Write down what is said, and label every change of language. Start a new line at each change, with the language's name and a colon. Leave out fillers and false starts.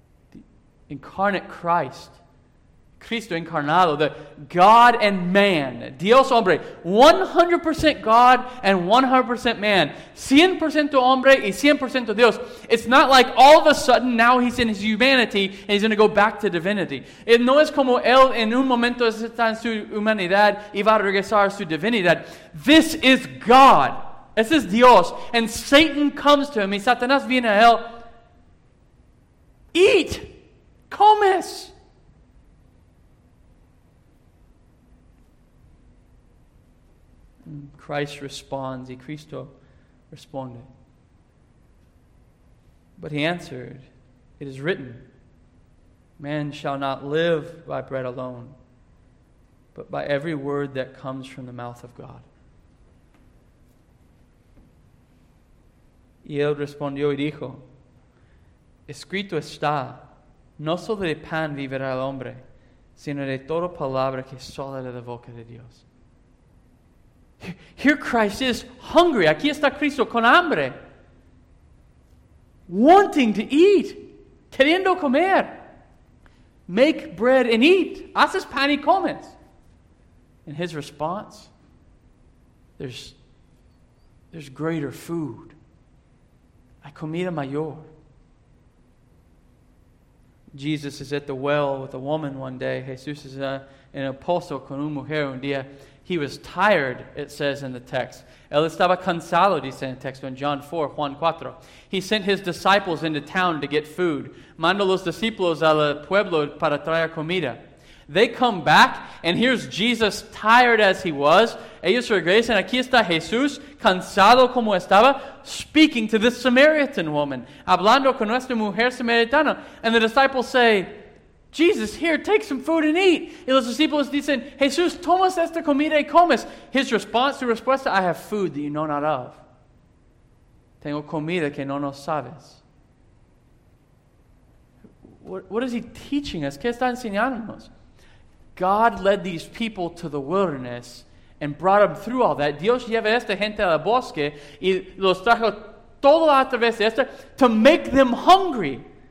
English: The incarnate Christ.
Spanish: Cristo encarnado.
English: The God and man.
Spanish: Dios hombre.
English: 100% God and 100% man.
Spanish: 100% hombre y 100% Dios.
English: It's not like all of a sudden now he's in his humanity and he's going to go back to divinity.
Spanish: No es como él en un momento está en su humanidad y va a regresar a su divinidad.
English: This is God. This is Dios. And Satan comes to him.
Spanish: Y Satanás viene a él.
English: Eat. Comes. Christ responds,
Spanish: y Cristo responde.
English: But he answered, it is written, man shall not live by bread alone, but by every word that comes from the mouth of God.
Spanish: Y él respondió y dijo, escrito está, no solo de pan vivirá el hombre, sino de toda palabra que sale de la boca de Dios.
English: Here Christ is hungry.
Spanish: Aquí está Cristo con hambre.
English: Wanting to eat.
Spanish: Queriendo comer.
English: Make bread and eat.
Spanish: Haces pan y comes.
English: And his response, there's greater food.
Spanish: Hay comida mayor.
English: Jesus is at the well with a woman one day.
Spanish: Jesús es en el pozo con una mujer un día.
English: He was tired, it says in the text.
Spanish: Él estaba cansado, dice en el texto, en John 4, Juan 4.
English: He sent his disciples into town to get food.
Spanish: Mandó los discípulos al pueblo para traer comida.
English: They come back, and here's Jesus, tired as he was.
Spanish: Ellos regresan, aquí está Jesús, cansado como estaba,
English: speaking to this Samaritan woman,
Spanish: hablando con nuestra mujer samaritana.
English: And the disciples say, Jesus, here, take some food and eat.
Spanish: Y los discípulos dicen, Jesús, tomas esta comida y comes.
English: His response,
Spanish: su respuesta,
English: I have food that you know not of.
Spanish: Tengo comida que no nos sabes.
English: What is he teaching us?
Spanish: ¿Qué está enseñándonos?
English: God led these people to the wilderness and brought them through all that.
Spanish: Dios lleva esta gente al bosque y los trajo todo a través de esta
English: to make them hungry.